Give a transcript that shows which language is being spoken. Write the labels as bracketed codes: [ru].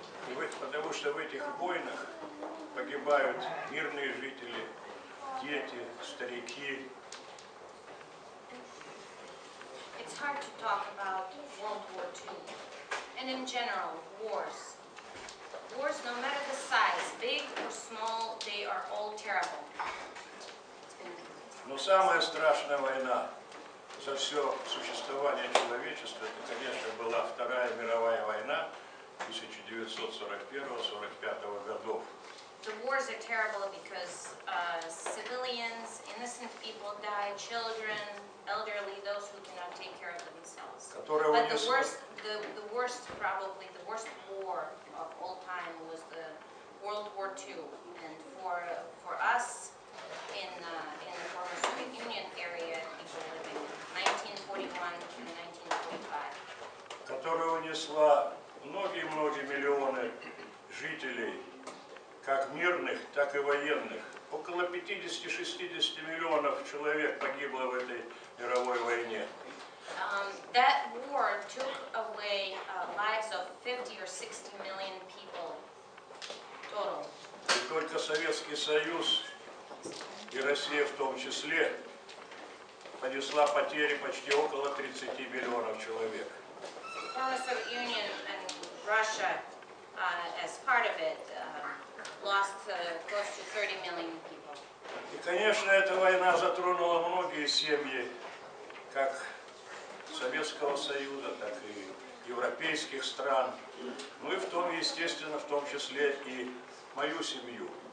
[ru] И вот потому что в этих войнах погибают мирные жители, дети, старики. [en] It's hard to talk about World War II. And in general, wars. Wars, no matter the size, big or small, they are all terrible. [ru] Но самая страшная война за все существование человечества, это, конечно, была Вторая мировая война 1941-45 годов. [en] The wars are terrible because civilians, innocent people die, children, elderly, those who cannot take care of themselves. But the worst war of all time was the World War II. And for us in the former Soviet Union area, people living 1941-1945, [ru] которая унесла многие-многие миллионы жителей, как мирных, так и военных. Около 50-60 миллионов человек погибло в этой мировой войне. [en] That war took away lives of 50 or 60 million people total. [ru] И только Советский Союз и Россия в том числе понесла потери почти около 30 миллионов человек. [en] Former Soviet Union and Russia, as part of it, lost close to 30 million people. [ru] И, конечно, эта война затронула многие семьи, как Советского Союза, так и европейских стран. Ну и в том, естественно, в том числе и мою семью.